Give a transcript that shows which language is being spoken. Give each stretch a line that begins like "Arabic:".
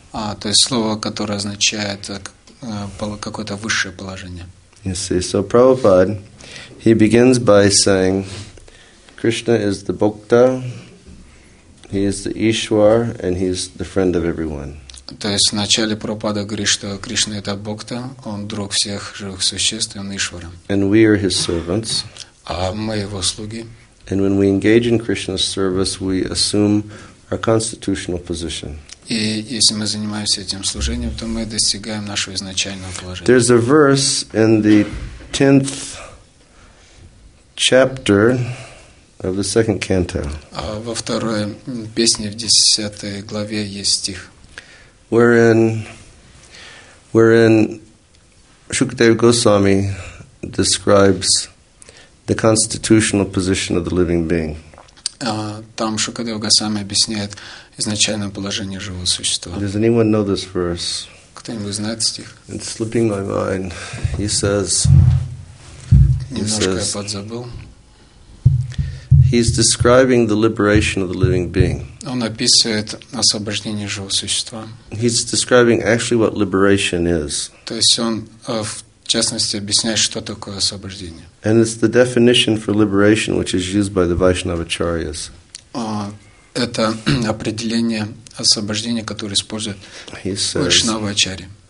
Russian: То есть слово, которое означает какое-то высшее положение.
English: You see, so Prabhupada, he begins by saying, Krishna is the Bhokta, he is the Ishwar, and he is the friend of everyone.
Russian: То есть вначале Прабхупада говорит, что Кришна это Бхокта, он друг всех живых существ, и он Ишвара.
English: And we are his servants.
Russian: А мы его слуги.
English: And when we engage in Krishna's service, we assume our constitutional position.
Russian: И если мы занимаемся этим служением, то мы достигаем нашего изначального положения.
English: There's a verse in the 10th chapter of the second canto.
Russian: Во второй песне в 10 главе есть стих.
English: Wherein Shukadeva Goswami describes the constitutional position of the living being.
Russian: Там Шукадева Госвами объясняет изначальное положение живого существа.
English: Does anyone know this verse?
Russian: Кто-нибудь знает стих?
English: It's slipping my mind. He says.
Russian: Немножко я подзабыл.
English: He's describing the liberation of the living being.
Russian: Он описывает освобождение живого существа.
English: He's describing actually what liberation is.
Russian: То есть он в частности объясняет, что такое освобождение.
English: And it's the definition for liberation which is used by the Vaishnavacharyas.
Russian: Это определение освобождения, которое использует Вайшнавачари.